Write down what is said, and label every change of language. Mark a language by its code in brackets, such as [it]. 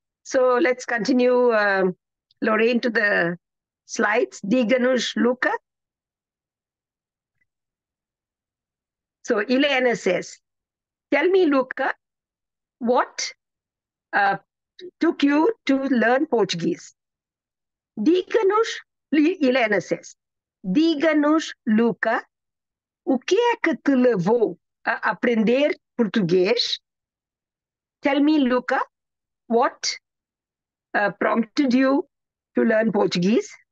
[en] So let's continue, Lorraine, to the slides. [pt] Diga-nos, Luca. [en] So Helena says, tell me, Luca, what took you to learn Portuguese? [pt] Diga-nos, [en] Helena says, [pt] diga-nos, Luca, o que é que te levou a aprender português? [en] Tell me, Luca, what prompted you to learn Portuguese?